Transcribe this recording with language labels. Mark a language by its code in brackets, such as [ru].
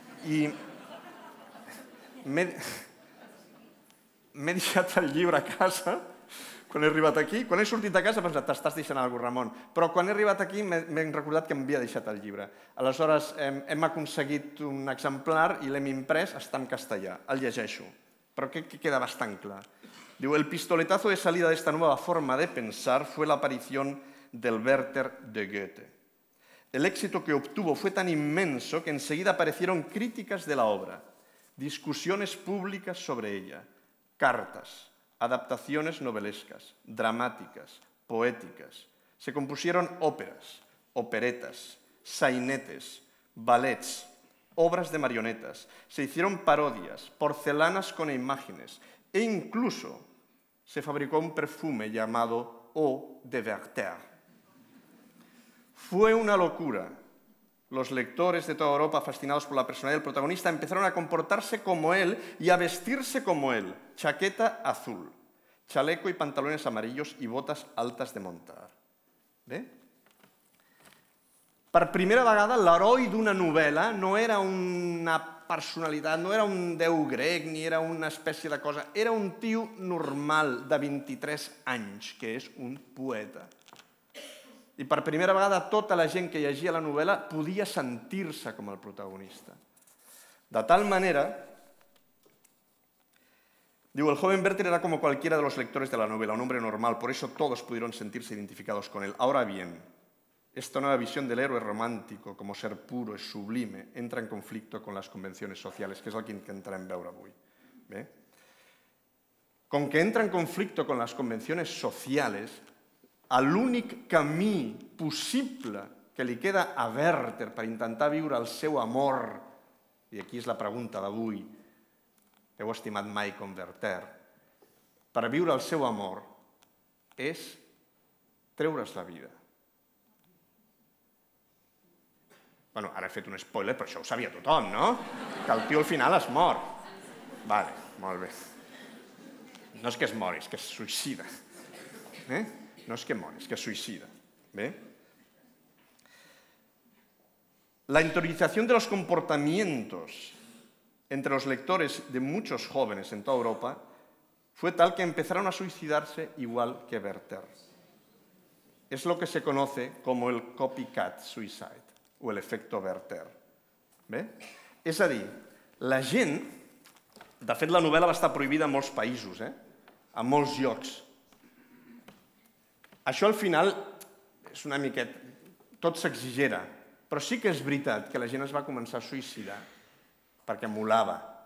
[ca] I m'he deixat el llibre a casa quan he arribat aquí. Quan he sortit de casa he pensat, t'estàs deixant alguna cosa, Ramon. Però quan he arribat aquí m'he recordat que m'havia deixat el llibre. Aleshores, hem aconseguit un exemplar i l'hem imprès, està en castellà. El llegeixo. Però que queda bastant clar. Diu, [es] el pistoletazo de salida d'esta nueva forma de pensar fue la aparición del Werther de Goethe. El éxito que obtuvo fue tan inmenso que enseguida aparecieron críticas de la obra, discusiones públicas sobre ella, cartas, adaptaciones novelescas, dramáticas, poéticas. Se compusieron óperas, operetas, sainetes, ballets, obras de marionetas, se hicieron parodias, porcelanas con imágenes e incluso se fabricó un perfume llamado Eau de Werther. Fue una locura. Los lectores de toda Europa, fascinados por la personalidad del protagonista, empezaron a comportarse como él y a vestirse como él. Chaqueta azul, chaleco y pantalones amarillos y botas altas de montar. ¿Ve? [ca] Per primera vegada, l'heroi d'una novel·la no era una personalitat, no era un déu grec, ni era una espècie de cosa. Era un tio normal, de 23 anys, que és un poeta. I per primera vegada tota la gent que llegia la novel·la podia sentir-se com el protagonista. [es] De tal manera, [ca] diu, [es] el joven Werther era como cualquiera de los lectores de la novela, un hombre normal, por eso todos pudieron sentirse identificados con él. Ahora bien, esta nueva visión del héroe romántico como ser puro y sublime entra en conflicto con las convenciones sociales, que es el [ca] que intentarem veure avui. Bé? [es] Con que entra en conflicto con las convenciones sociales, [ca] l'únic camí possible que li queda a Werther per intentar viure el seu amor, i aquí és la pregunta d'avui, heu estimat mai com Werther, per viure el seu amor és treure's la vida. Bueno, ara he fet un spoiler, però això ho sabia tothom, no? Que el tio al final es mor. Vale, molt bé. No és que es mori, és que es suïcida. Eh? No és que mori, és que es suïcida. Bé? [es] La interiorización de los comportamientos entre los lectores de muchos jóvenes en toda Europa fue tal que empezaron a suicidarse igual que Werther. Es lo que se conoce como el copycat suicide o el efecto Werther. [ca] Bé? És a dir, la gent... De fet, la novel·la va estar prohibida en molts països, eh? En molts llocs. Això al final és una miqueta... Tot s'exagera, però sí que és veritat que la gent es va començar a suïcidar perquè molava.